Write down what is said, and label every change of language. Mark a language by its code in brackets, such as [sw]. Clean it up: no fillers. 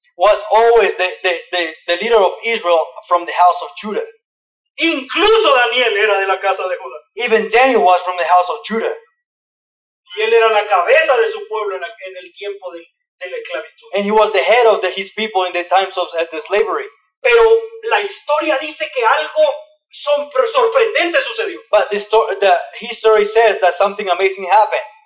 [en] Was always the leader of Israel from the house of Judah. [es] Incluso Daniel era de la casa de Judá. [en] Even Daniel was from the house of Judah. [es] Y él era la cabeza de su pueblo en el tiempo de la esclavitud. [en] And he was the head of his people in the times of the slavery. [es] Pero la historia dice que algo sorprendente sucedió. [en] But the history says that something amazing happened.